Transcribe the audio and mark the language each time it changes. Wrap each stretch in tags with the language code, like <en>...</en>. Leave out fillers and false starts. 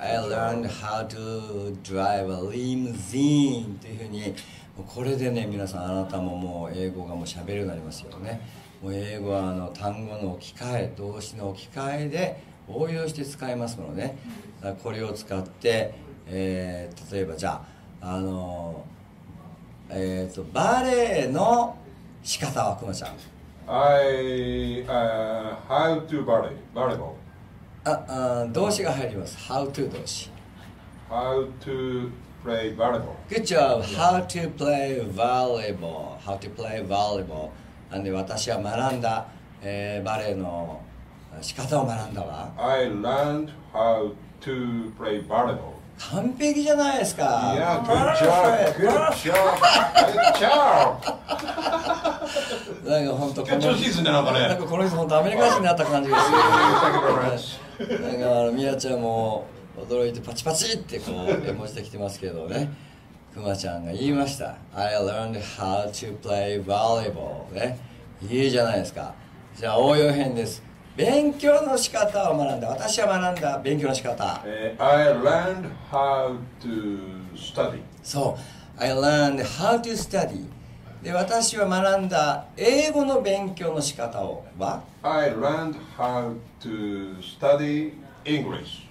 <en>I learned how to drive a limousine.</en> <ja>というふうに、これでね、皆さん、あなたももう英語がもう喋るようになりますよね。もう英語は単語の置き換え、動詞の置き換えで応用して使いますものね。だからこれを使って、例えばじゃあ、バレエの仕方はくまちゃん。</ja> <en>How to ballet? バレーボール。</en> <ja>あ、動詞が入ります。</ja> <en>How to</en> <ja>動詞。</ja> <en>How to play volleyball. Good job. How to play volleyball. How to play volleyball.</en> <ja>なんで私は学んだ、バレーの仕方を学んだわ。</ja> <en>I learned how to play volleyball.</en> <ja>完璧じゃないですか。</ja> <en>Yeah, good job. Good job. Good job.</en> <ja>なんか本当この調子いいですね、なんかね。なんかこの人本当アメリカ人になった感じがする。</ja> <en>Thank you very much.</en> <ja>なんかミヤちゃんも驚いてパチパチってこう絵文字できてますけどね。クマちゃんが言いました、</ja> <en>I learned how to play volleyball、</en> <ja>ね、いいじゃないですか。じゃあ応用編です。勉強の仕方を学んだ、私は学んだ勉強の仕方、</ja> <en>I learned how to study。</en> <ja>そう、</ja> <en>I learned how to study。</en> <ja>で、私は学んだ英語の勉強の仕方をは、</ja> <en>I learned how to study English.</en>